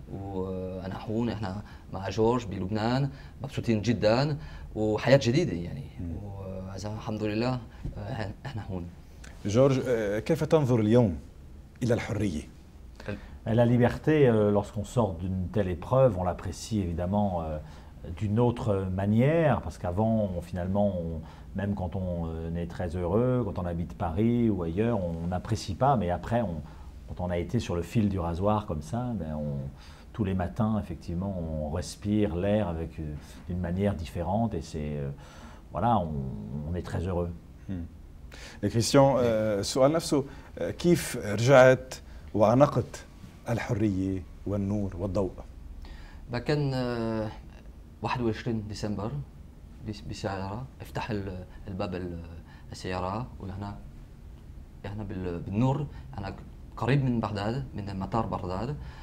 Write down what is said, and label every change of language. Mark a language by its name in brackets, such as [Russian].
[Arabic] وأنا حون إحنا مع جورج بلبنان مبسوطين جدا، وحياة جديدة يعني، وعزيزي الحمد لله إحنا حون. جورج، كيف تنظر اليوم إلى الحرية؟ [French] La liberté, lorsqu'on sort d'une telle épreuve, on l'apprécie évidemment d'une autre manière, parce qu'avant, même quand on est très heureux, quand on habite Paris ou ailleurs, on n'apprécie pas. Mais après, quand on a été sur le fil du rasoir comme ça, tous les matins, effectivement, on respire l'air avec d'une manière différente, et c'est on est très heureux. Et [Arabic] Christian, سؤال نفسه، كيف رجعت وعنقت الحرية والنور والضوء؟ كان 21 ديسمبر بسيارة، افتح الباب السيارة، وهنا بالنور أنا قريب من بغداد، من مطار بغداد.